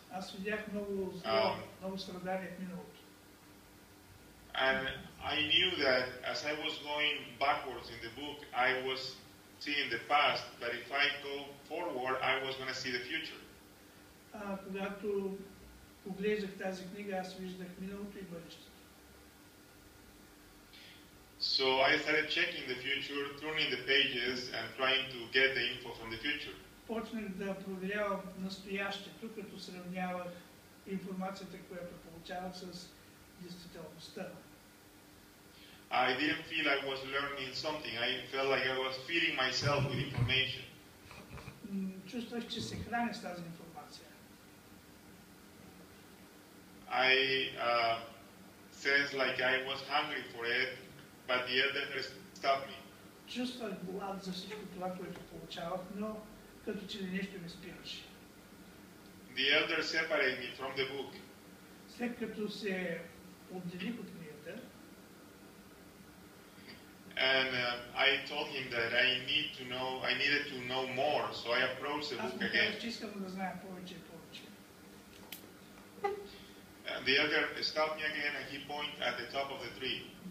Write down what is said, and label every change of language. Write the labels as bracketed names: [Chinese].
[Bulgarian] Аз видях много зло, много страдания в миналото. [English] And I knew that as I was going backwards in the book, I was seeing the past, but if I go forward, I was going to see the future. [Bulgarian] Когато поглеждах тази книга, аз виждах миналото и бъдещето. [English] So I started checking the future, turning the pages, and trying to get the info from the future. [Bulgarian] Почнах да проверявам настоящето, като сравнявах информацията, която получавах с действителността. [English] I didn't feel I was learning something. I felt like I was feeding myself with information. [Bulgarian] Чувствах, че се храня с тази информация. [English] I sensed like I was hungry for it, but the elder stopped me. [Bulgarian] Чувствах глад за всичко това, което получавах, но като че нещо ме спираше. [English] The elder separated me from the book. [Bulgarian] След като се отделих от книгата, [English] And I told him that I need to know, I needed to know more, so I approached the book again. And the elder stopped me again, and he pointed at the top of the tree.